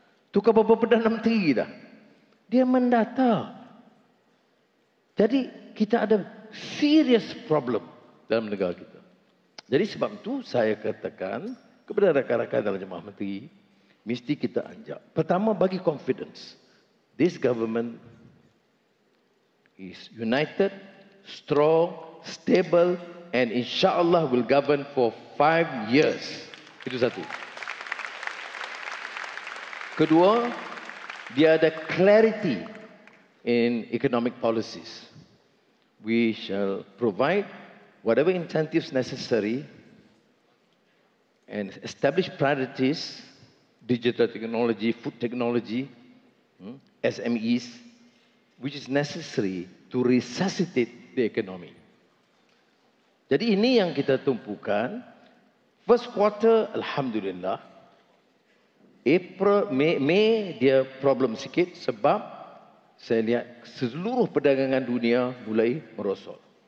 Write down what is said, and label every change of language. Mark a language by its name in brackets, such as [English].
[Malay] Tukar beberapa Perdana Menteri dah. Dia mendatar. Jadi kita ada [English] serious problem [Malay] dalam negara kita. Jadi sebab itu saya katakan kepada rakan-rakan dalam Jemaah Menteri, mesti kita anjak. Pertama, bagi confidence. [English] This government is united, strong, stable, and insyaAllah will govern for 5 years. [Malay] Itu satu. Kedua, dia ada [English] clarity in economic policies. We shall provide whatever incentives necessary and establish priorities, digital technology, food technology, SMEs, which is necessary to resuscitate the economy. [Malay] Jadi ini yang kita tumpukan. [English] First quarter, [Malay] alhamdulillah. April, Mei dia problem sikit sebab saya lihat seluruh perdagangan dunia mulai merosot.